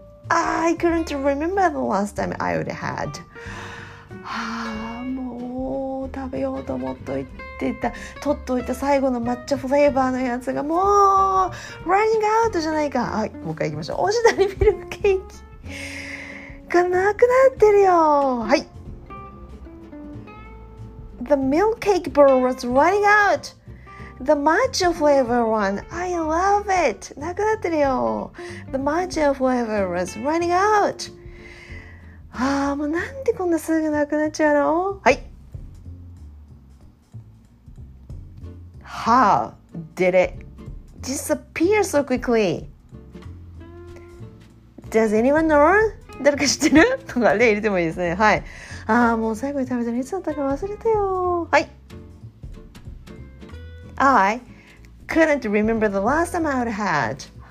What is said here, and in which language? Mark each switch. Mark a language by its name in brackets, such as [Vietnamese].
[English] I couldn't remember the last time I would had. [Japanese] はあ、もう食べようと思っといてた。取っといた最後の抹茶フレーバーのやつがもう running out じゃないか。はい、もう一回いきましょう。おしどりミルクケーキがなくなってるよ。はい。 [English] The milk cake bar was running out. The matcha flavor one, I love it. [Japanese] なくなってるよ。 [English] The matcha flavor was running out. [Japanese] あー、もうなんでこんなすぐなくなっちゃうの？はい。 [English] How did it disappear so quickly? Does anyone know? [Japanese] 誰か知ってる？とか例入れてもいいですね。はい。あー、もう最後に食べたのいつだったか忘れたよ。はい。 [English] I couldn't remember the last time I would had.